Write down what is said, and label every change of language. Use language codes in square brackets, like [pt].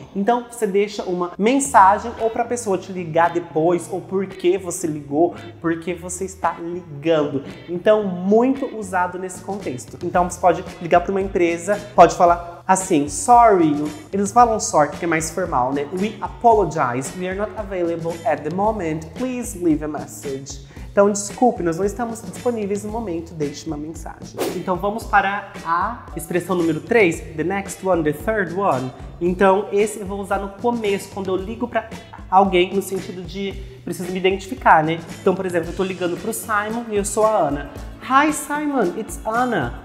[pt] Então você deixa uma mensagem ou para a pessoa te ligar depois ou por que você ligou, por que você está ligando. Então, muito usado nesse contexto. Então você pode ligar para uma empresa, pode falar assim, sorry, eles falam sorry, que é mais formal, né? [en] We apologize, we are not available at the moment, please leave a message. [pt] Então, desculpe, nós não estamos disponíveis no momento, deixe uma mensagem. Então, vamos para a expressão número 3, [en] the next one, the third one. [pt] Então, esse eu vou usar no começo, quando eu ligo para alguém, no sentido de preciso me identificar, né? Então, por exemplo, eu estou ligando para o Simon e eu sou a Ana. [en] Hi, Simon, it's Anna.